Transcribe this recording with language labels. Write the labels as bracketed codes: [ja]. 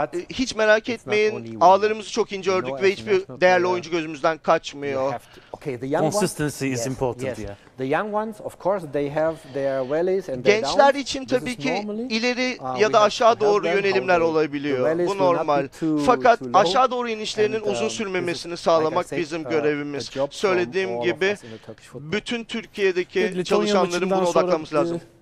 [tr] Hiç merak etmeyin, ağlarımızı çok ince ördük ve hiçbir değerli oyuncu gözümüzden kaçmıyor. [en] Consistency is important. The young ones, of course, they have their valleys and [tr] gençler için tabii ki ileri ya da aşağı doğru yönelimler olabiliyor. Bu normal. Fakat aşağı doğru inişlerinin uzun sürmemesini sağlamak bizim görevimiz. Söylediğim gibi, bütün Türkiye'deki çalışanların buna odaklanması lazım.